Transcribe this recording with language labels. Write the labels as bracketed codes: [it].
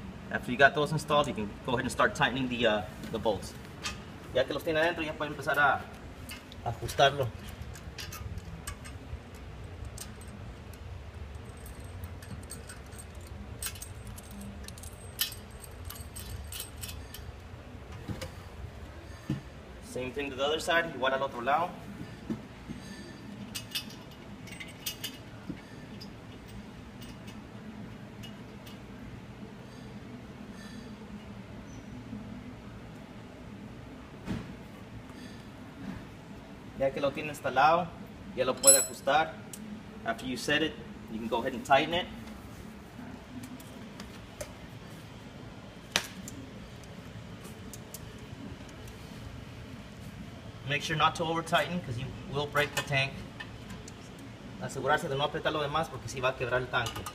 [en] After you got those installed, you can go ahead and start tightening the bolts. [es] Ya que los tiene adentro, ya pueden empezar a ajustarlo. [en] Same thing to the other side, [es] igual al otro lado. Ya que lo tiene instalado, ya lo puede ajustar. [en] After you set it, you can go ahead and tighten it. Make sure not to over tighten because you will break the tank. [es] Asegurarse de no apretar lo demás porque si va a quebrar el tanque.